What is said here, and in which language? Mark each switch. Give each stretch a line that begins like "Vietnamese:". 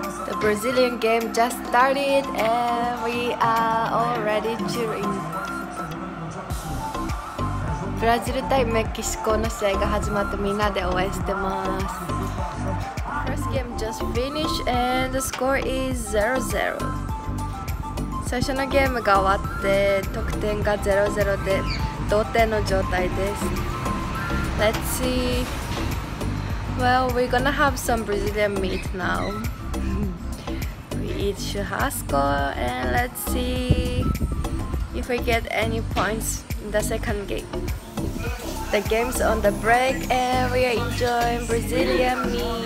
English: The Brazilian game just started and we are already cheering.
Japanese: Brazil 対メキシコの試合が始まってみんなで応援してます。
English: First game just finished and the score is 0-0.
Japanese: 最初のゲームが終わって得点が 0-0 で同点の状態です。
English: Let's see. Well, we're gonna have some Brazilian meat now. We eat churrasco and let's see if we get any points in the second game. The game's on the break and we are enjoying Brazilian meat.